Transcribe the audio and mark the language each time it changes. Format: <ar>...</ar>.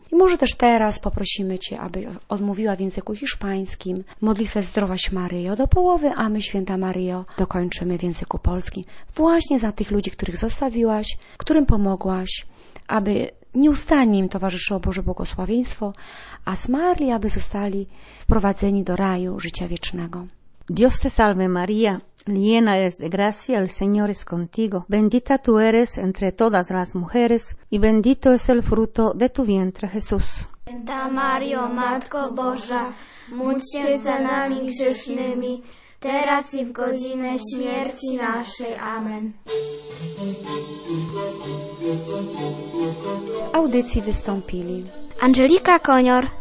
<pl>I może też teraz poprosimy Cię, aby odmówiła w języku hiszpańskim modlitwę Zdrowaś Maryjo do połowy, a my Święta Maryjo dokończymy w języku polskim. Właśnie za tych ludzi, których zostawiłaś, którym pomogłaś, aby nieustannie im towarzyszyło Boże błogosławieństwo, a zmarli, aby zostali wprowadzeni do raju życia wiecznego.</pl> <es>Dios te salve Maria, llena eres de gracia, el Señor es contigo. Bendita tú eres entre todas las mujeres y bendito es el fruto de tu vientre, Jesús.</es> <pl>Santa Mario, Matko Boża, módl się za nami grzesznymi, teraz i w godzinę śmierci naszej. Amen. Audycji wystąpili Angelika Konior,</pl>